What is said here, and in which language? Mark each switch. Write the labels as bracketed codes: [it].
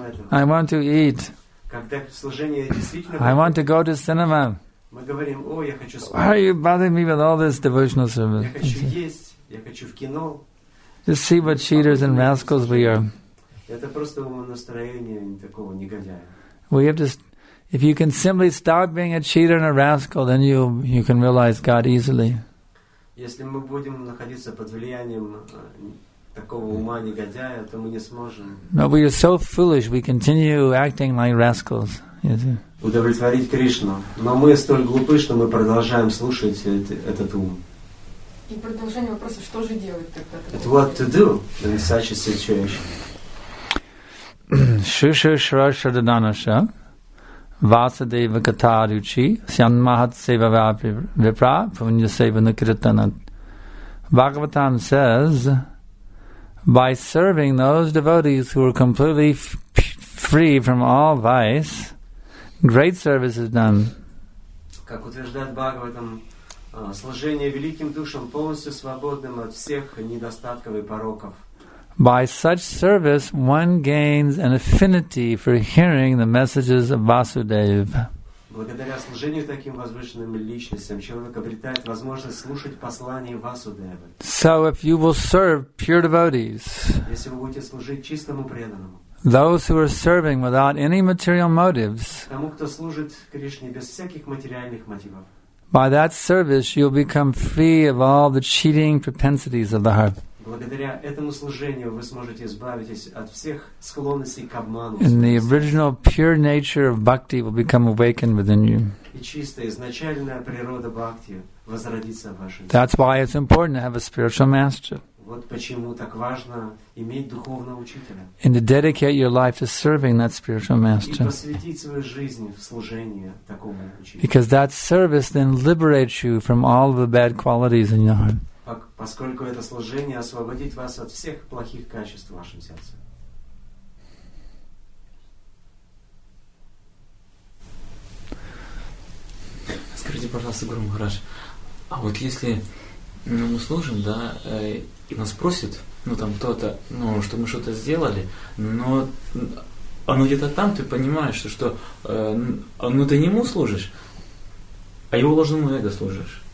[en] I want to eat. I want to go to cinema. Why are you bothering me with all this devotional service? [ru] Я хочу в кино. [en] Just see what cheaters and rascals we are. [ru] Это просто настроение такого негодяя. [en] We have to, If you can simply stop being a cheater and a rascal, then you can realize God easily. [ru] Если мы будем находиться под влиянием такого ума негодяя, то мы не сможем. [en] No, we are so foolish. We continue acting like rascals. [ru] Удовлетворить Кришну, но мы столь глупы, что мы продолжаем слушать этот ум. И продолжение вопроса, что же делать тогда? [en] What to do in such a situation? Шишишрашраданаша Vasudeva Kataruchi, Sian Mahat Seva Vipra, Punya Seva Nikritana. Bhagavatam says, by serving those devotees who are completely free from all vice, great service is done. [ru] Как утверждает Бхагаватам, служение великим душам полностью свободным от всех недостатков и пороков. [en] By such service, one gains an affinity for hearing the messages of Vasudev. [ru] Благодаря служению таким возвышенным личностям, человек обретает возможность слушать послания Васудевы. [en] So if you will serve pure devotees, [ru] если вы будете служить чистому преданному, [en] those who are serving without any material motives, [ru] тому, кто служит Кришне без всяких материальных мотивов, [en] by that service you'll become free of all the cheating propensities of the heart. [ru] Благодаря этому служению вы сможете избавиться от всех склонностей к обману. [en] And the original pure nature of bhakti will become awakened within you. [ru] И чистая изначальная природа бхакти возродится в вашем. [en] That's why it's important to have a spiritual master. [ru] Вот почему так важно иметь духовного учителя. [en] And to dedicate your life to serving that spiritual master. [ru] И посвятить свою жизнь в служение такому учителю. [en] Because that service then liberates you from all the bad qualities in your heart. [ru] Поскольку это служение освободит вас от всех плохих качеств в вашем сердце. Скажите, пожалуйста, Гуру Махарадж, а вот если мы служим, да, и нас просит, ну там кто-то, ну, что мы что-то сделали, но оно где-то там, ты понимаешь, что ну ты не ему служишь, а его ложному эго служишь.